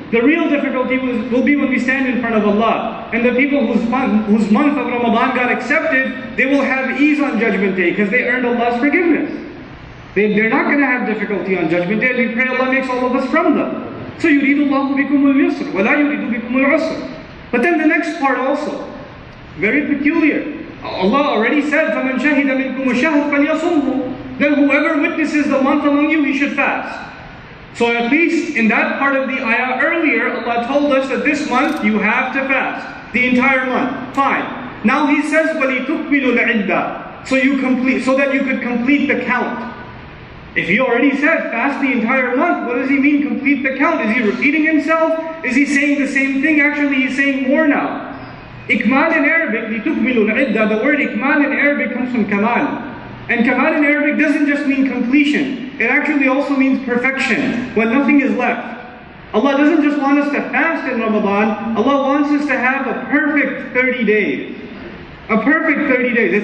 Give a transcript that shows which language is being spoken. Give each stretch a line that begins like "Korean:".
English: The real difficulty will be when we stand in front of Allah. And the people whose month of Ramadan got accepted, they will have ease on Judgment Day because they earned Allah's forgiveness. They're not going to have difficulty on Judgment Day. We pray Allah makes all of us from them.
Arabic: So يُرِيدُ اللَّهُ بِكُمُ الْيُسْرَ وَلَا يُرِيدُ بِكُمُ الْعُسْرَ.
English: But then the next part also, very peculiar. Allah already said,
Arabic: فَمَنْ شَهِدَ مِنْكُمُ الشَّهْرَ فَلْيَصُمْهُ.
English: Then whoever witnesses the month among you, he should fast. So at least in that part of the ayah earlier, Allah told us that this month you have to fast. The entire month. Fine. Now he says,
Arabic: وَلِتُكْمِلُ الْعِدَّةِ.
English: So that you could complete the count. If he already said, fast the entire month, what does he mean, complete the count? Is he repeating himself? Is he saying the same thing? Actually, he's saying more now.
Arabic: إِكْمَال
English: in Arabic,
Arabic: لِتُكْمِلُ الْعِدَّةِ.
English: The word إِكْمَال in Arabic comes from كَمَال. And kamal in Arabic doesn't just mean completion. It actually also means perfection, when nothing is left. Allah doesn't just want us to fast in Ramadan. Allah wants us to have a perfect 30 days. A perfect 30 days.